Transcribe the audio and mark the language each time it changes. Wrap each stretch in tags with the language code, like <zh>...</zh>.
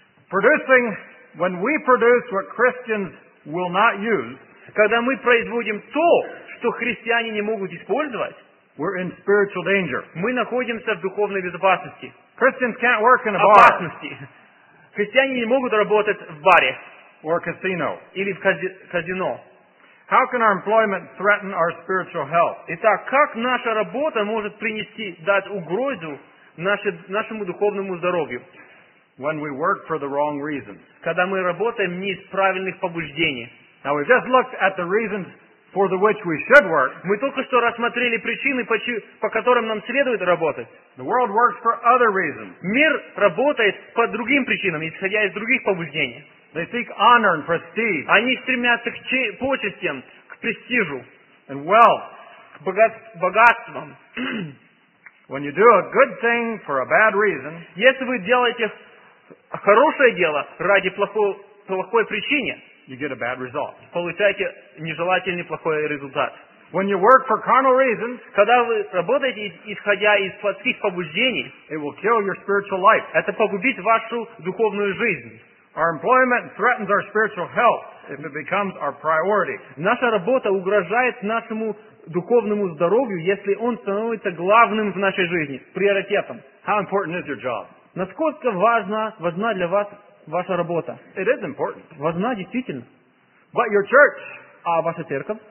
<en>Producing, when we produce what Christians will not use,</en> <ru>когда мы производим то, что христиане не могут использовать,</ru> <en>we're in spiritual danger.</en> <ru>Мы находимся в духовной безопасности.</ru> <en>Christians can't work in a bar.</en> <ru>Опасности. Христиане не могут работать в баре.</ru> <en>Or a casino.</en> <ru>Или в казино.</ru> <en>How can our employment threaten our spiritual health?</en> <ru>Итак, как наша работа может принести, дать угрозу нашему духовному здоровью?</ru> <en>When we work for the wrong reasons.</en> <ru>Когда мы работаем не из правильных побуждений.</ru> <en>Now we've just looked at the reasons for the which we should work.</en> <ru>Мы только что рассмотрели причины, по которым нам следует работать.</ru> <en>The world works for other reasons.</en> <ru>Мир работает по другим причинам, исходя из других побуждений.</ru> <en>They seek honor and prestige.</en> <ru>Они стремятся к почестям, к престижу.</ru> <en>And wealth.</en> <ru>К богатствам.</ru> <en>When you do a good thing for a bad reason.</en> <ru>Если вы делаете хорошее дело ради плохой причины,</ru> <en>you get a bad result.</en> <ru>Получаете нежелательный плохой результат.</ru> <en>When you work for carnal reasons,</en> <ru>когда вы работаете исходя из плотских побуждений,</ru> <en>it will kill your spiritual life.</en> <ru>Это погубит вашу духовную жизнь.</ru> <en>Our employment threatens our spiritual health if it becomes our priority.</en> <ru>Наша работа угрожает нашему духовному здоровью, если он становится главным в нашей жизни, приоритетом.</ru> <en>How important is your job?</en> <ru>Насколько важна для вас ваша работа?</ru> <en>It is important.</en> <ru>Важна действительно.</ru> <en>But your church,</en> <ru>а ваша церковь,</ru>